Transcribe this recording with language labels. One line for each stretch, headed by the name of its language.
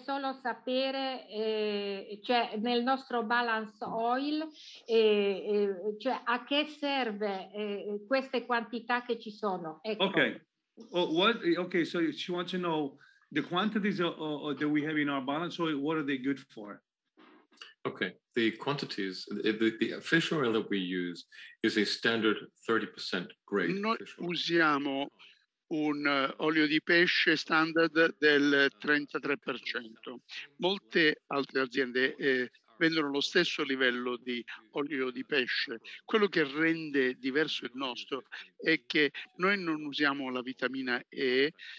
Italian: solo sapere, cioè nel nostro balance oil, cioè a che serve queste quantità che ci sono. Ecco.
English: Okay. So she wants to know. The quantities that we have in our balance oil, what are they good for? Okay, the quantities, the fish oil that we use is a standard 30% grade.
Italian: Noi usiamo un olio di pesce standard del 33%. Molte altre aziende vendono lo stesso livello di olio di pesce. Quello che rende diverso il nostro è che noi non usiamo la vitamina E.